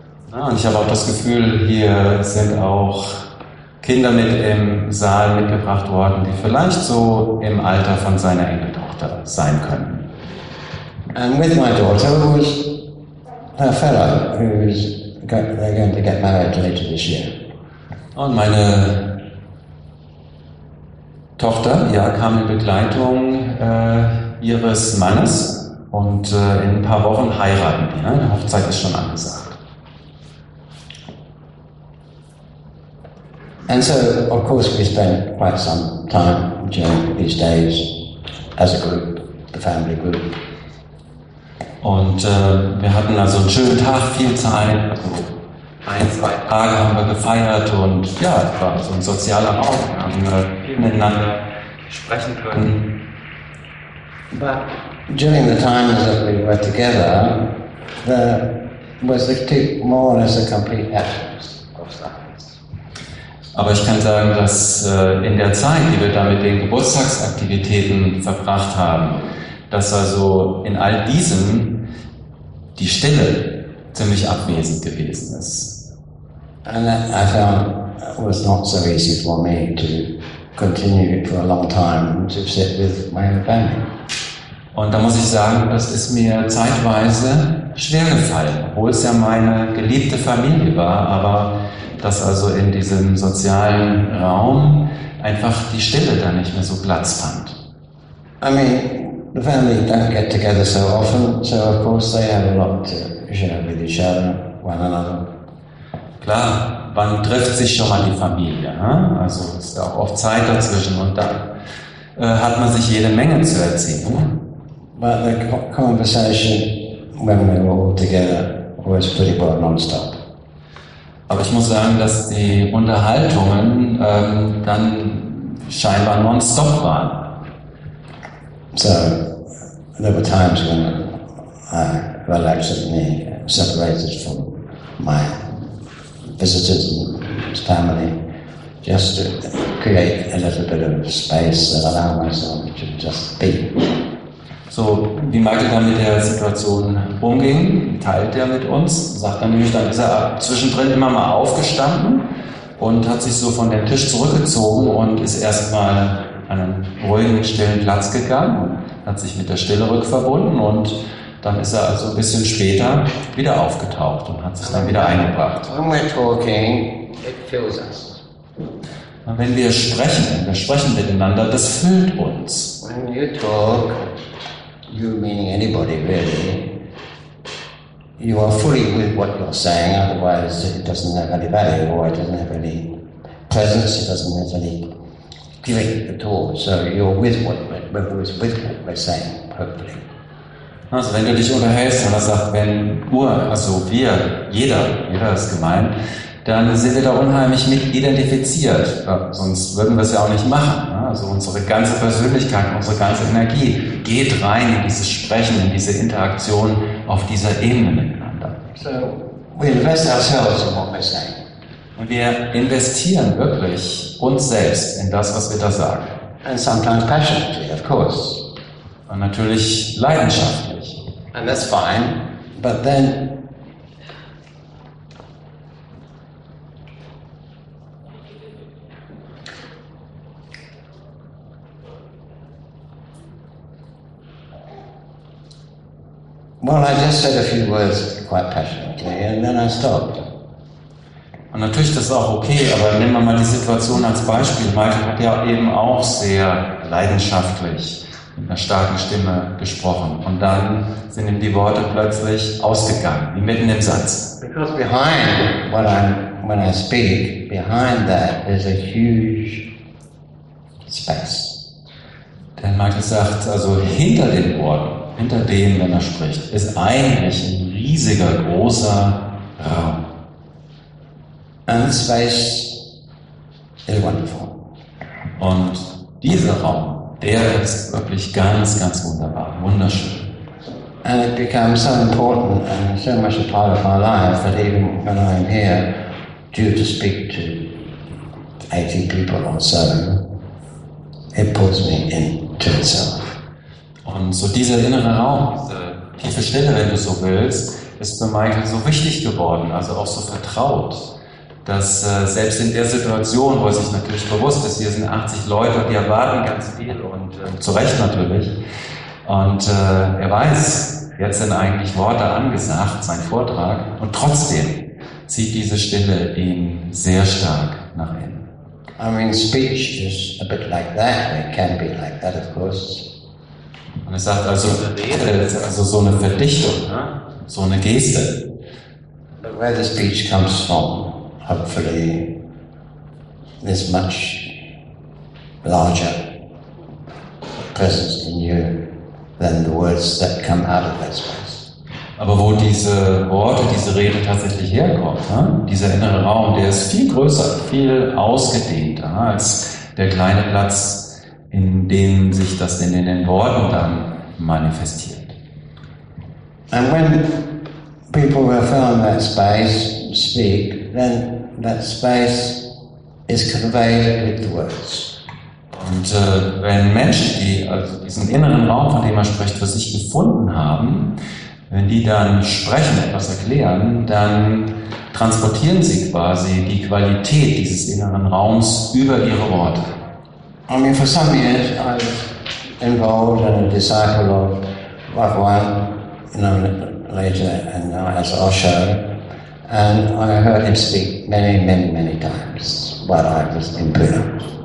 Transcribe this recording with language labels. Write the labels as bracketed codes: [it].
[de] Ah, und ich habe auch das Gefühl, hier sind auch Kinder mit im Saal mitgebracht worden, die vielleicht so im Alter von seiner Enkeltochter sein könnten. [en] And with my daughter, who is her fellow, who is going to get married later this year. [de] Und meine Tochter, ja, kam in Begleitung ihres Mannes und in ein paar Wochen heiraten die. Ne? Die Hochzeit ist schon angesagt. [en] And so, of course, we spent quite some time during these days as a group, the family group. [de] Und wir hatten also einen schönen Tag, viel Zeit. Ein, zwei Tage haben wir gefeiert und ja, es war so ein sozialer Raum. Wir haben miteinander sprechen können. [en] But during the time that we were together, there was more or less a complete absence of that. [de] Aber ich kann sagen, dass in der Zeit, die wir da mit den Geburtstagsaktivitäten verbracht haben, dass also in all diesem die Stille ziemlich abwesend gewesen ist. [en] And I found it was not so easy for me to continue for a long time to sit with my own family. [de] Und da muss ich sagen, das ist mir zeitweise schwer gefallen, obwohl es ja meine geliebte Familie war, aber dass also in diesem sozialen Raum einfach die Stille da nicht mehr so Platz fand. [en] I mean, the family don't get together so often, so of course they have a lot to share with each other, one another. [de] Klar, wann trifft sich schon mal die Familie? Hm? Also ist da auch oft Zeit dazwischen und da hat man sich jede Menge zu erzählen. [en] But the conversation when we were all together was pretty well non-stop. [de] Aber ich muss sagen, dass die Unterhaltungen dann scheinbar non-stop waren. [en] So, there were times when I reluctantly separated from my visitors and family just to create a little bit of space and allow myself to just be. [de] So, wie Michael dann mit der Situation umging, teilt er mit uns, sagt dann nämlich, dann ist er zwischendrin immer mal aufgestanden und hat sich so von dem Tisch zurückgezogen und ist erstmal an einen ruhigen, stillen Platz gegangen, hat sich mit der Stille rückverbunden und dann ist er also ein bisschen später wieder aufgetaucht und hat sich dann wieder eingebracht. [en] When we're talking, it fills us. [de] Wenn wir sprechen miteinander, das füllt uns. [en] When you talk, you meaning anybody really, you are fully with what you're saying, otherwise it doesn't have any value, or it doesn't have any presence, it doesn't have any grip at all. So you're with what we're saying, hopefully. [de] Also wenn du dich unterhältst, dann sagt, wenn also wir, jeder ist gemeint, dann sind wir da unheimlich mit identifiziert. Ja, sonst würden wir es ja auch nicht machen. Ne? Also unsere ganze Persönlichkeit, unsere ganze Energie geht rein in dieses Sprechen, in diese Interaktion auf dieser Ebene miteinander. [en] So, we invest ourselves in what we're saying. [de] Und wir investieren wirklich uns selbst in das, was wir da sagen. [en] And sometimes passionately, of course. [de] Und natürlich leidenschaftlich. [en] And that's fine, but then well, I just said a few words quite passionately, and then I stopped. [de] Und natürlich, das ist auch okay, aber nehmen wir mal die Situation als Beispiel. Michael hat ja eben auch sehr leidenschaftlich mit einer starken Stimme gesprochen. Und dann sind ihm die Worte plötzlich ausgegangen, wie mitten im Satz. [en] Because behind what when I speak, behind that is a huge space. [de] Denn Michael sagt, also hinter den Worten, hinter dem, wenn er spricht, ist eigentlich ein riesiger, großer Raum. [en] And space Very wonderful. [de] Und dieser Raum, der ist wirklich ganz, ganz wunderbar, wunderschön. [en] And it becomes so important and so much a part of my life that even when I'm here, due to speak to 80 people or so, it pulls me into itself. [de] Und so dieser innere Raum, diese tiefe Stille, wenn du so willst, ist für Michael so wichtig geworden, also auch so vertraut, dass selbst in der Situation, wo er sich natürlich bewusst ist, hier sind 80 Leute, die erwarten ganz viel und zu Recht natürlich, und er weiß, jetzt sind eigentlich Worte angesagt, sein Vortrag, und trotzdem zieht diese Stille ihn sehr stark nach innen. [en] I mean, speech is a bit like that, it can be like that, of course. [de] Und er sagt also, so eine Verdichtung, so eine Geste. [en] But where the speech comes from, hopefully, there's much larger presence in you than the words that come out of that space. [de] Aber wo diese Worte, diese Rede tatsächlich herkommt, dieser innere Raum, der ist viel größer, viel ausgedehnter als der kleine Platz, in dem sich das denn in den Worten dann manifestiert. [en] And when people who fill that space speak, then that space is conveyed with the words. [de] Und wenn Menschen, die also diesen inneren Raum, von dem er spricht, für sich gefunden haben, wenn die dann sprechen, etwas erklären, dann transportieren sie quasi die Qualität dieses inneren Raums über ihre Worte. [en] I mean, for some years I was involved in a disciple of Bhagwan, you know, later and now as Osho. And I heard him speak many, many, many times while I was in Pune.